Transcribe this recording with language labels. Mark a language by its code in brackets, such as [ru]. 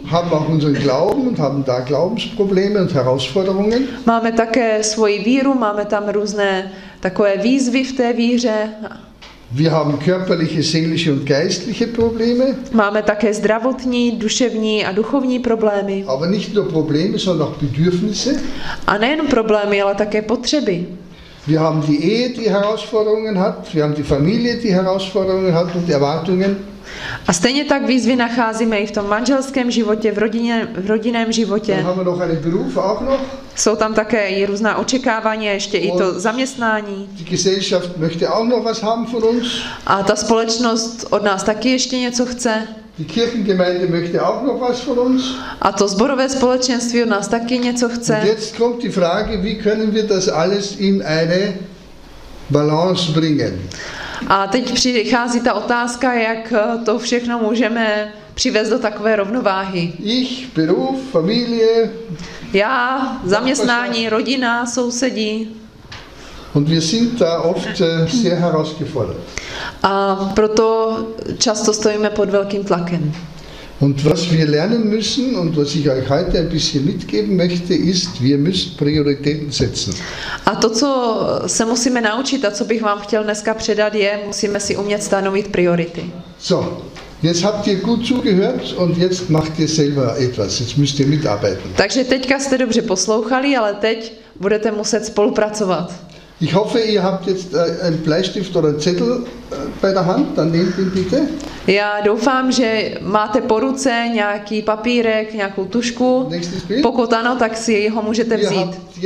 [de] Haben auch unseren Glauben und haben da Glaubensprobleme und Herausforderungen. [cs] Máme také svoji víru, máme tam různé takové výzvy v té víře. [de] Wir haben körperliche, seelische und geistliche Probleme. [cs] Máme také zdravotní, duševní a duchovní problémy. [de] Aber nicht nur Probleme, sondern auch Bedürfnisse. [cs] A nejen problémy, ale také potřeby. [de] Wir haben die Ehe, die Herausforderungen hat, wir haben die Familie, die Herausforderungen hat und Erwartungen. [cs] A stejně tak výzvy nacházíme i v tom manželském životě, v rodinném životě. [de] Dann haben wir noch einen Beruf auch noch. [cs] Jsou tam také i různá očekávání, ještě [de] und [cs] i to zaměstnání. [de] Die Gesellschaft möchte auch noch was haben von uns. [cs] A ta společnost od nás taky ještě něco chce. [de] Die Kirchengemeinde möchte auch noch was von uns. [cs] A to sborové společenství od nás taky něco chce. [de] Und jetzt kommt die Frage, wie können wir das alles in eine Balance bringen? [cs] A teď přichází ta otázka, jak to všechno můžeme přivést do takové rovnováhy. [de] Ich, Beruf, Familie. [cs] Já, zaměstnání, rodina, sousedí. [de] Und wir sind da oft sehr herausgefordert. [cs] A proto často stojíme pod velkým tlakem. [de] Und was wir lernen müssen und was ich euch heute ein bisschen mitgeben möchte, ist, wir müssen Prioritäten setzen. [cs] A to, co se musíme naučit a co bych vám chtěl dneska předat, je, musíme si umět stanovit priority. [de] So, jetzt habt ihr gut zugehört und jetzt macht ihr selber etwas, jetzt müsst ihr mitarbeiten. [cs] Takže teďka jste dobře poslouchali, ale teď budete muset spolupracovat. [de] Ich hoffe, ihr habt jetzt einen Bleistift oder einen Zettel bei der Hand, dann nehmt ihn bitte. [cs] Já doufám, že máte po ruce nějaký papírek, nějakou tušku. Pokud ano, tak si ho můžete vzít.